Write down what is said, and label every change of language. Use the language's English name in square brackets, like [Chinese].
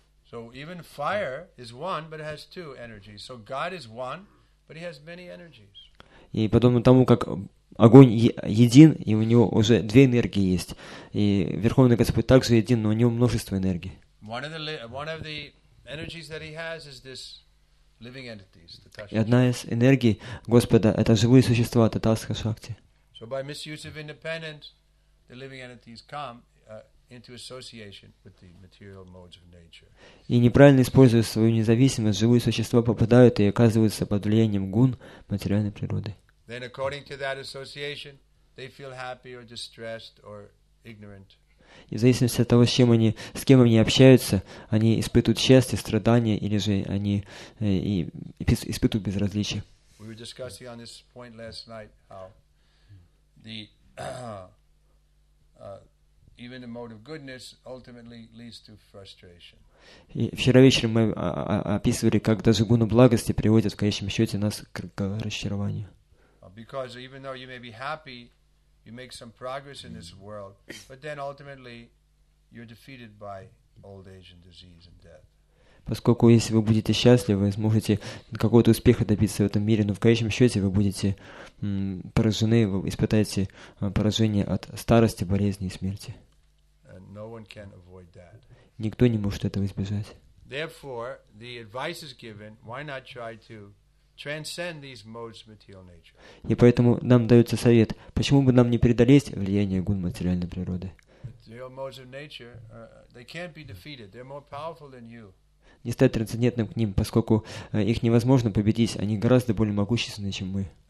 [English] So even fire is one, but it has two energies. So God is one, but he has many energies. [Russian] И подобно тому, как огонь един, и у него уже две энергии есть. И Верховный Господь также един, но у него множество энергий. [English] One of the energies that he has is this living entities, the [Russian] Tathagata. И одна из энергий Господа — это живые существа, Татхагата Шакти. [English] So by misuse of independence, the living entities come into association with the material modes of nature. [Russian] И неправильно используя свою независимость, живые существа попадают и оказываются под влиянием гун материальной природы. [English] Then according to that association, they feel happy or distressed or ignorant. [Russian] И в зависимости от того, с кем они общаются, они испытывают счастье, страдания, или же они испытывают безразличие. [English] We were discussing on this point last night how the even the mode of goodness ultimately leads to frustration. [Russian] И вчера вечером мы описывали, как даже гуна благости приводит в конечном счете нас к разочарованию. [English] Because even though you may be happy, you make some progress in this world, but then ultimately you're defeated by old age and disease and death. [Russian] Поскольку если вы будете счастливы, сможете какого-то успеха добиться в этом мире, но в конечном счете вы будете поражены, вы испытаете поражение от старости, болезни и смерти. [English] No one can avoid that. [Russian] Никто не может этого избежать. [English] Therefore, the advice is given, why not try to transcend these modes of material nature? [Russian] И поэтому нам дается совет, почему бы нам не преодолеть влияние гун материальной природы? [English] Material modes of nature, they can't be defeated. They're more powerful than you. [Russian] Не стать трансцендентным к ним, поскольку их невозможно победить, они гораздо более могущественны, чем мы.